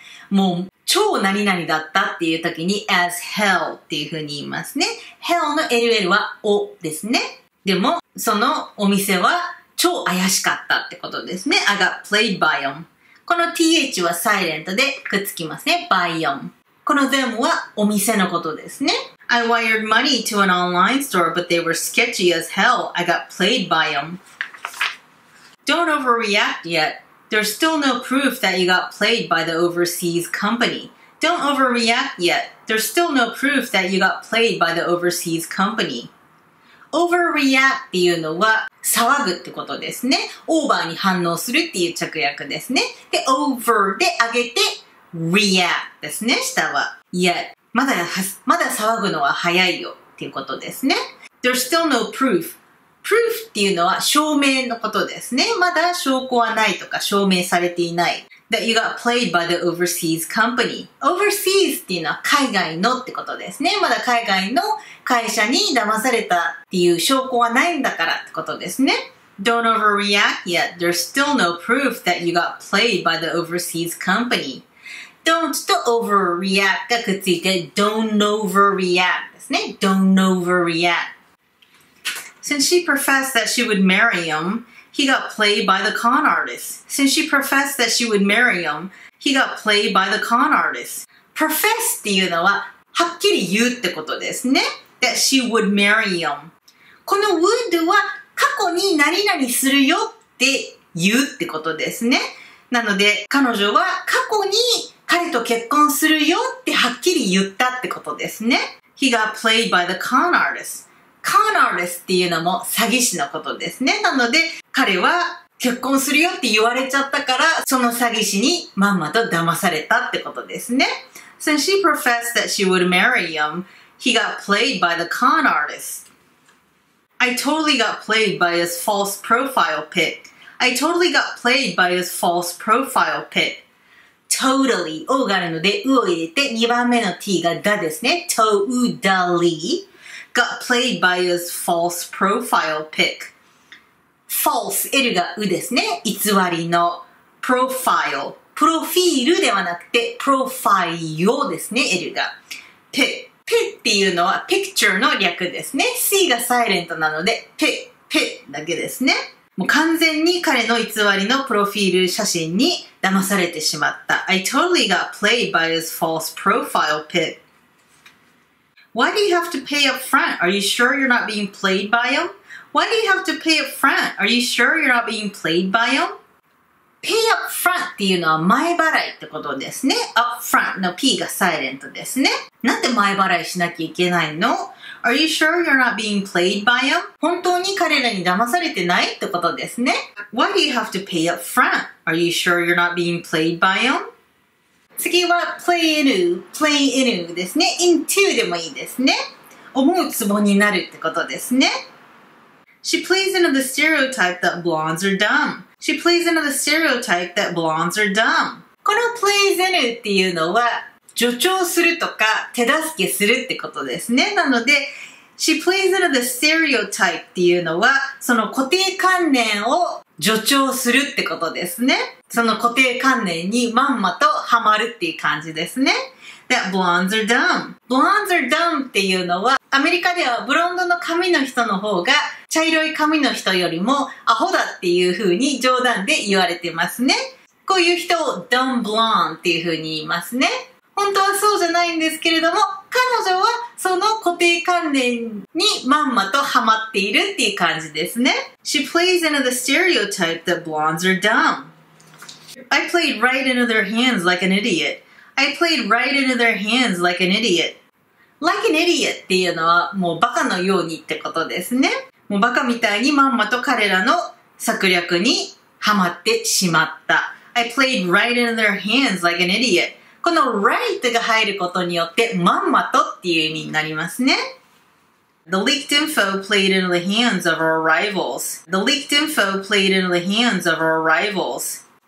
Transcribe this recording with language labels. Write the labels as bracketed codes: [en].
[ja] もう超何々だったっていう時に as hell っていうふうに言いますね。 hell の ll はおですね。でも、そのお店は超怪しかったってことですね。 [en] I got played by them. [ja] この th はサイレントでくっつきますね。 [en] by them. [ja] この them はお店のことですね。 [en] I wired money to an online store, but they were sketchy as hell. I got played by them. Don't overreact yet. There's still no proof that you got played by the overseas company. Don't overreact yet. There's still no proof that you got played by the overseas company. [ja] Overreact っていうのは騒ぐってことですね。オーバーに反応するっていう直訳ですね。で、over で上げて react ですね。下は yet まだ騒ぐのは早いよっていうことですね。 [en] There's still no proof. [ja] Proof っていうのは証明のことですね。まだ証拠はないとか証明されていない。 [en] That you got played by the overseas company. [ja] Overseas っていうのは海外のってことですね。まだ海外の会社に騙されたっていう証拠はないんだからってことですね。 [en] Don't overreact yet. There's still no proof that you got played by the overseas company. [ja] Don't と overreact がくっついて don't overreact ですね。 [en] Don't overreact. Since she professed that she would marry him,He got played by the con artist. Since she professed that she would marry him, he got played by the con artist. [ja] Profess っていうのは、はっきり言うってことですね。 [en] That she would marry him. [ja] この would は、過去に何々するよって言うってことですね。なので、彼女は過去に彼と結婚するよってはっきり言ったってことですね。 [en] He got played by the con artist. [ja] Con artist っていうのも詐欺師のことですね。なので、彼は結婚するよって言われちゃったから、その詐欺師にまんまと騙されたってことですね。 [en] So she professed that she would marry him. He got played by the con artist. I totally got played by his false profile pic. I totally got played by his false profile pic. Totally. [ja] O があるので、うを入れて、2番目の t がだですね。 [en] Totally. Got played by his false profile pic. [ja] False, L がうですね。偽りの [en] profile. [ja] プロフィールではなくて profile ですね、L が。 [en] pic. [ja] pic っていうのは picture の略ですね。C がサイレントなので pic, pic だけですね。もう完全に彼の偽りのプロフィール写真に騙されてしまった。 [en] I totally got played by his false profile pic. Why do you have to pay up front? Are you sure you're not being played by him? Why do you have to pay up front? Are you sure you're not being played by him? [ja] Pay up front っていうのは前払いってことですね。Up front の P がサイレントですね。なんで前払いしなきゃいけないの? [en] Are you sure you're not being played by him? [ja] 本当に彼らに騙されてないってことですね。 [en] Why do you have to pay up front? Are you sure you're not being played by him? [ja] 次は play in, play in ですね。into でもいいですね。思うツボになるってことですね。 [en] She plays into the stereotype that blondes are dumb. She plays into the stereotype that blondes are dumb. [ja] この plays in っていうのは助長するとか手助けするってことですね。なので、 [en] She plays into the stereotype [ja] っていうのはその固定観念を助長するってことですね。その固定観念にまんまとハマるっていう感じですね。 [en] That blondes are dumb. [ja] Blondes are dumb っていうのはアメリカではブロンドの髪の人の方が茶色い髪の人よりもアホだっていう風に冗談で言われてますね。こういう人を dumb blonde っていう風に言いますね。本当はそうじゃないんですけれども、彼女はその固定観念にまんまとハマっているっていう感じですね。 [en] She plays into the stereotype that blondes are dumb. I played right into their hands like an idiot. I played right into their hands like an idiot. [ja] Like an idiot っていうのはもうバカのようにってことですね。もうバカみたいにまんまと彼らの策略にはまってしまった。 [en] I played right into their hands like an idiot. [ja] この right が入ることによってまんまとっていう意味になりますね。 [en] The leaked info played into the hands of our rivals. The leaked info played into the hands of our rivals.